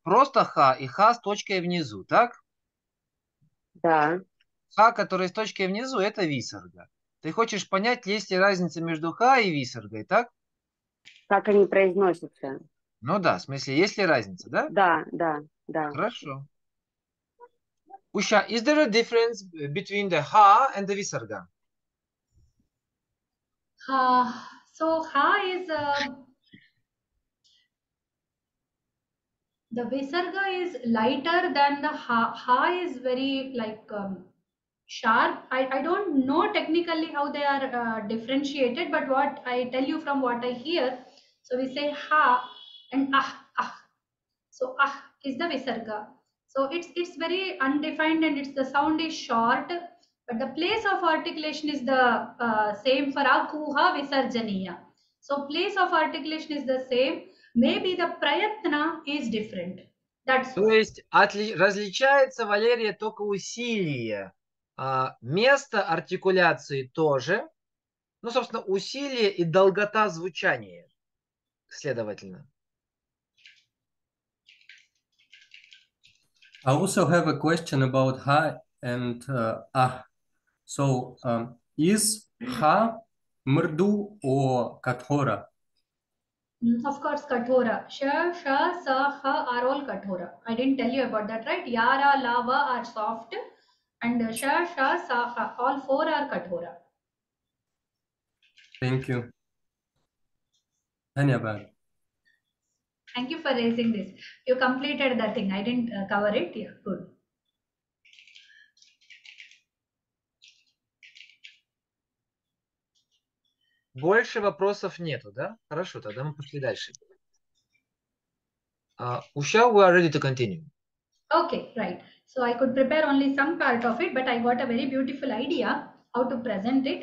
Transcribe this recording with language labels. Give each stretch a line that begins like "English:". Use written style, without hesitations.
Russian: Просто ха и ха с точкой внизу, так? Да. Ха, которая с точкой внизу, это висарга. Ты хочешь понять, есть ли разница между ха и висаргой, так? Как они произносятся. Ну да, в смысле, есть ли разница, да? Да, да, да. Хорошо.
English: Usha, is there a difference between the ha and the visarga? So ha is the visarga is lighter than the ha. Ha is very like sharp. I don't know technically how they are differentiated, but what I tell you from what I hear, so we say ha and ah ah. So ah is the visarga. So it's very undefined and it's the sound is short, but the place of articulation is the same for akuha visarjaniya. So place of articulation is the same. Maybe the prayatna is different. That's
Russian: то есть различается, Валерия, только усилие. Место артикуляции тоже. Ну, собственно, усилие и долгота звучания, следовательно.
English: I also have a question about ha and ah. So, is ha mrdu or kathora? Of course, kathora. Sha, sha, sa, ha are all kathora. I didn't tell you about that, right? Yara, lava are soft and sha, sha, sa, ha, all four are kathora. Thank you. Dhanyabad. Thank you for raising this. You completed the thing. I didn't cover it. Yeah, good.
Russian: Больше вопросов нету, да? Хорошо, тогда мы пошли дальше.
English: Usha, we are ready to continue. Okay, right. So I could prepare only some part of it, but I got a very beautiful idea how to present it.